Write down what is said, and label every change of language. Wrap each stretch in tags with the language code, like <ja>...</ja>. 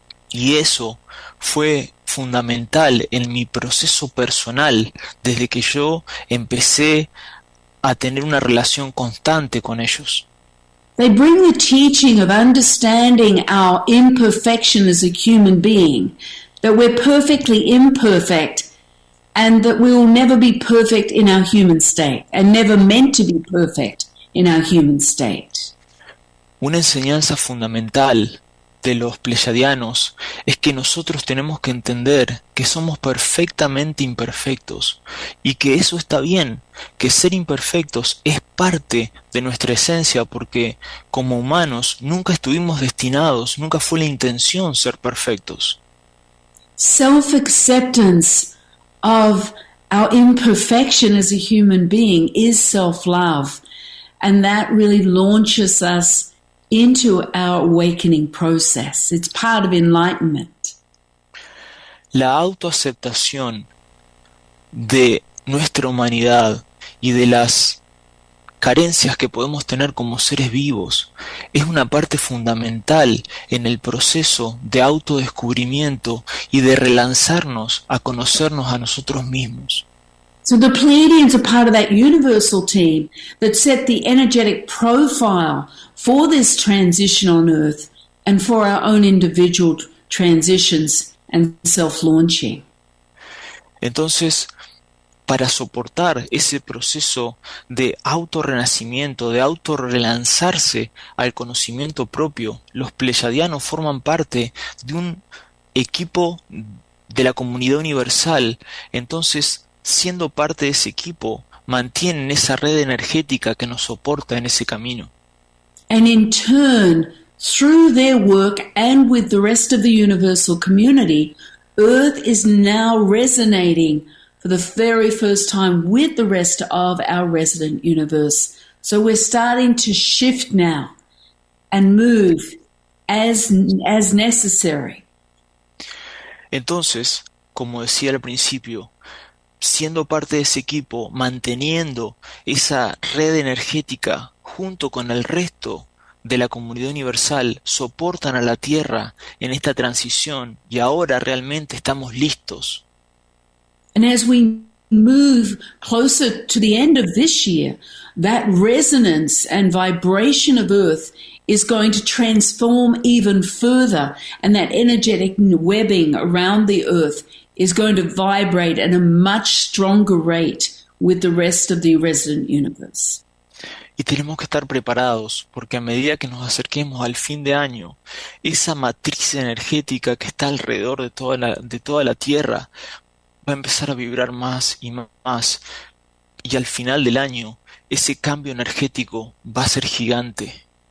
<es>Y eso fue fundamental en mi proceso personal desde que yo empecé a tener una relación constante con ellos.</es> <en>They bring the teaching of understanding our imperfection as a human being, that we're perfectly imperfect and that we will never be perfect in our human state and never meant to be perfect in our human state.</en> <es>Una enseñanza fundamental de los pleiadianos es que nosotros tenemos que entender que somos perfectamente imperfectos y que eso está bien, que ser imperfectos es parte de nuestra esencia porque como humanos nunca estuvimos destinados, nunca fue la intención ser perfectos.</es> <en>Self-acceptance of our imperfection as a human being is self-love, and that really launches us into our awakening process. It's part of enlightenment.</en> <es>La autoaceptación de nuestra humanidad y de las carencias que podemos tener como seres vivos es una parte fundamental en el proceso de autodescubrimiento y de relanzarnos a conocernos a nosotros mismos.</es> <en>So the Pleiadians are part of that universal team that set the energetic profile for this transition on Earth and for our own individual transitions and self-launching.</en> <es>Entonces, para soportar ese proceso de autorrenacimiento, de autorrelanzarse al conocimiento propio, los pleiadianos forman parte de un equipo de la comunidad universal. Entonces, siendo parte de ese equipo, mantienen esa red energética que nos soporta en ese camino.</es> <en>And in turn, through their work and with the rest of the universal community, Earth is now resonating for the very first time with the rest of our resident universe. So we're starting to shift now and move as necessary.</en> <es>Entonces, como decía al principio, siendo parte de ese equipo, manteniendo esa red energética junto con el resto de la comunidad universal, soportan a la Tierra en esta transición y ahora realmente estamos listos.</es> <en>And as we move closer to the end of this year, that resonance and vibration of Earth is going to transform even further, and that energetic webbing around the Earth is going to vibrate at a much stronger rate with the rest of the resident universe.</en> <es>Y tenemos que estar preparados, porque a medida que nos acerquemos al fin de año, esa matriz energética que está alrededor de toda la Tierra va a empezar a vibrar más y más. Y al final del año, ese cambio energético va a ser gigante.</es>